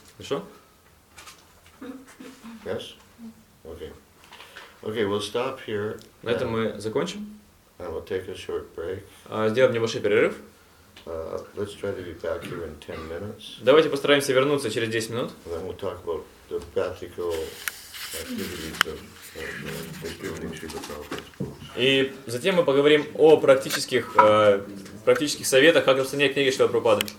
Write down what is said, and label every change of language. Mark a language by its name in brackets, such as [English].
[Russian] Хорошо? [English] Yes? Okay. Okay, we'll stop here. [Russian] На этом мы закончим. [English] And we'll take a short break. [Russian] Сделаем небольшой перерыв. [English] Let's try to be back here in 10 minutes. [Russian] Давайте постараемся вернуться через 10 минут. [English] And then we'll talk about the practical activities of giving Shiva Prabhupada's books. [Russian] И затем мы поговорим о практических советах, как распространять книги Шрилы Прабхупады.